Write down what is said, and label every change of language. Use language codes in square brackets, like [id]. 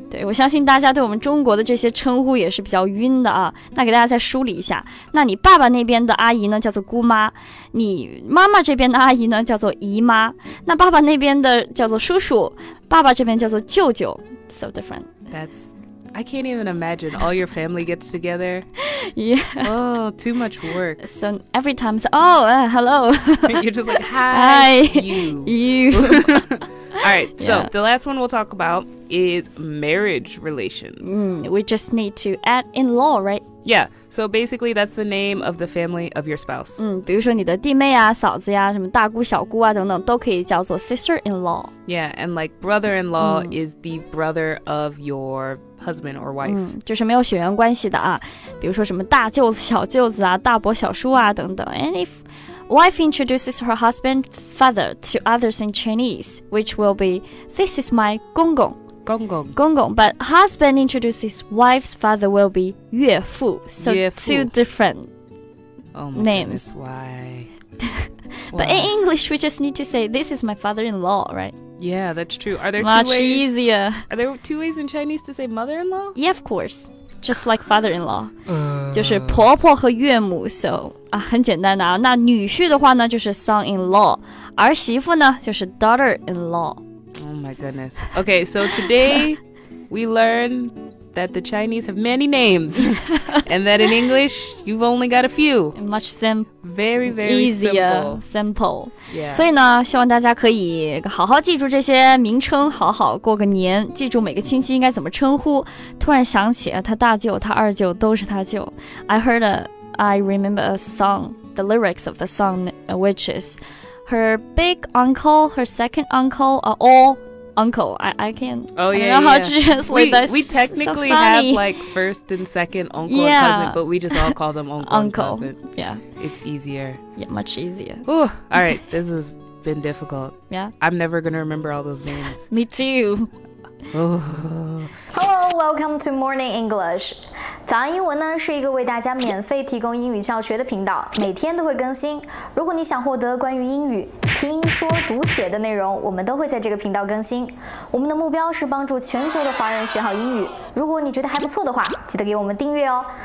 [zh] 对，我相信大家对我们中国的这些称呼也是比较晕的啊。那给大家再梳理一下，那你爸爸那边的阿姨呢叫做姑妈，你妈妈这边的阿姨呢叫做姨妈，那爸爸那边的叫做叔叔，爸爸这边叫做舅舅。 [en] So different. That's... I can't even imagine all your family gets together. Yeah. Oh, too much work. So every time, hello. You're just like, hi. Hi. You. All right, so the last one we'll talk about is marriage relations. We just need to add in-law, right? Yeah, so basically that's the name of the family of your spouse. [zh] 比如说你的弟妹啊、嫂子呀、什么大姑、小姑啊等等都可以叫做 sister-in-law. [en] Yeah, and like brother-in-law is the brother of your husband or wife. [zh] 就是没有血缘关系的啊。比如说什么大舅子、小舅子啊、大伯、小叔啊等等。 [en] And if... Wife introduces her husband's father to others in Chinese, which will be, this is my 公公. 公公. 公公, but husband introduces wife's father will be 岳父. So 岳父. Two different names. Oh my goodness, why? But in English, we just need to say, this is my father-in-law, right? Yeah, that's true. Are there Much two ways? Much easier. Are there two ways in Chinese to say mother-in-law? Yeah, of course. Just like father-in-law, 就是婆婆和岳母 so, [zh] 啊，很简单的啊。那女婿的话呢，就是 son-in-law, 儿媳妇呢，就是 daughter-in-law. [en] Oh my goodness. Okay, so today we learned that the Chinese have many names and that in English, you've only got a few. Much simple. Very, very easier, simple. Yeah. [zh] 所以呢，希望大家可以好好记住这些名称，好好过个年，记住每个亲戚应该怎么称呼。突然想起，他大舅、他二舅都是他舅。 [en] I remember a song, the lyrics of the song, which is, her big uncle, her second uncle are all uncle. We technically have like first and second uncle and cousin, but we just all call them uncle, uncle. and cousin. Yeah. It's easier. Yeah, much easier. Ooh, all right, this has been difficult. Yeah. I'm never going to remember all those names. Me too. Hello, welcome to Morning English. [zh] 早安英文呢是一个为大家免费提供英语教学的频道，每天都会更新。如果你想获得关于英语听说读写的内容，我们都会在这个频道更新。我们的目标是帮助全球的华人学好英语。如果你觉得还不错的话，记得给我们订阅哦。